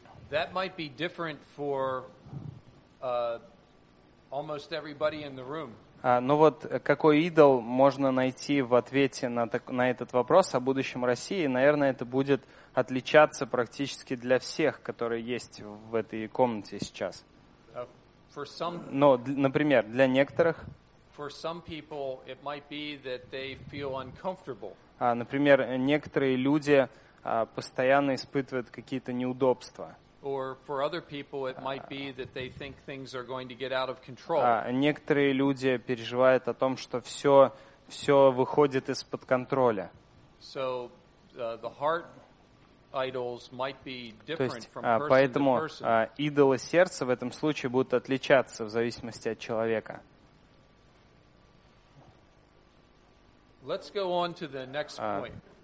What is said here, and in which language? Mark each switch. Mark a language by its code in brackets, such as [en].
[en] That might be different for almost everybody in the room. [ru] Ну вот какой идол можно найти в ответе на этот вопрос о будущем России? Наверное, это будет отличаться практически для всех, которые есть в этой комнате сейчас. [en] For some. [ru] Но, например, для некоторых. [en] For some people, it might be that they feel uncomfortable. [ru] Например, некоторые люди постоянно испытывают какие-то неудобства. [en] Or for other people, it might be that they think things are going to get out of control. [ru] Некоторые люди переживают о том, что все выходит из-под контроля. [en] So the heart idols might be different from person to person. [ru] Поэтому идолы сердца в этом случае будут отличаться в зависимости от человека. [en] Let's go on to the next point.